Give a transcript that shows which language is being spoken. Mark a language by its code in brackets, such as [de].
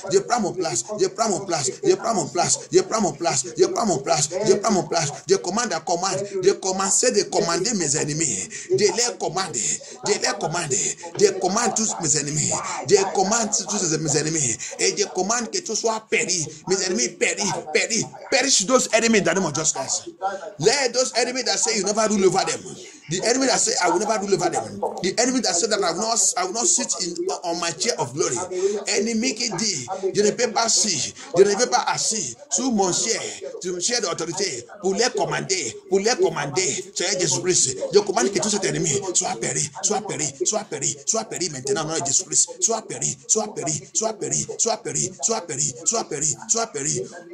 [fr] Je prends mon place, je prends mon place, je prends mon place, je prends mon place, je prends mon place, je prends mon place, je prends mon place, je commande à commande, je commence de commander mes ennemis, de les commander, de les commander, je commande tous mes ennemis, je commande tous mes ennemis, et je commande que tu sois péri, mes ennemis péri, péri, [en] perish those enemies that are just us. Let those enemies that say you never rule over them. The enemy that said, I will never rule over them. The enemy that said that I will not sit on my chair of glory. [fr] Enemy qui dit, je ne peux pas si, je ne peux pas assis sous mon chair, sous mon chair d'autorité, pour les commander, Seigneur Jésus-Christ. Je commande que tout cet ennemi soit péri, soit péri, soit péri, soit péri maintenant, au nom de Jésus-Christ. Soit péri, soit péri, soit péri, soit péri, soit péri, soit péri, soit péri.